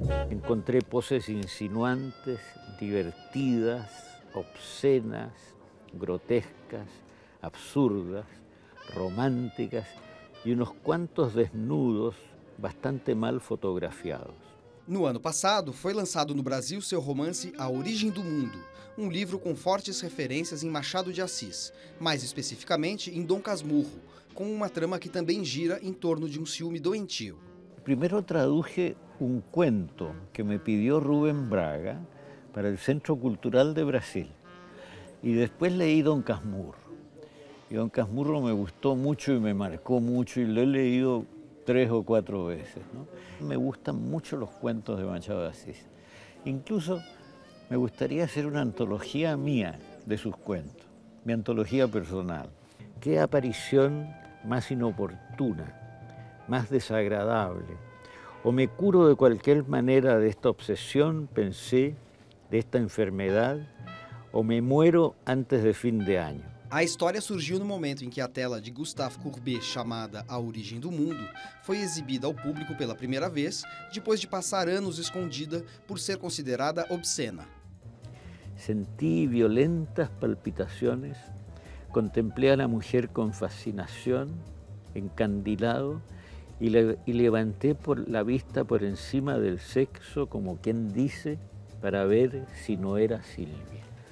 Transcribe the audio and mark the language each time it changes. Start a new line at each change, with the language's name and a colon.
Spanish: Encontré poses insinuantes, divertidas, obscenas, grotescas, absurdas, románticas y unos cuantos desnudos bastante mal fotografiados.
Portuguese: No ano passado, foi lançado no Brasil seu romance A Origem do Mundo, um livro com fortes referências em Machado de Assis, mais especificamente em Dom Casmurro, com uma trama que também gira em torno de um ciúme doentio. Primeiro traduje um cuento que me pediu Rubem Braga para o Centro Cultural de Brasil. E depois leí Dom Casmurro. E Dom Casmurro me gustou muito e me marcou muito, e
Spanish: leí leído 3 o 4 veces, ¿no? Me gustan mucho los cuentos de Machado de Assis. Incluso me gustaría hacer una antología mía de sus cuentos, mi antología personal. ¿Qué aparición más inoportuna, más desagradable? ¿O me curo de cualquier manera de esta obsesión, pensé, de esta enfermedad, o me muero antes de fin de año?
Portuguese: A história surgiu no momento em que a tela de Gustave Courbet, chamada A Origem do Mundo, foi exibida ao público pela primeira vez, depois de passar anos escondida por ser considerada obscena. Senti violentas palpitações, contemplei a mulher com fascinação, encandilado, e levantei a vista por cima do sexo, como quem diz, para ver se não era Silvia.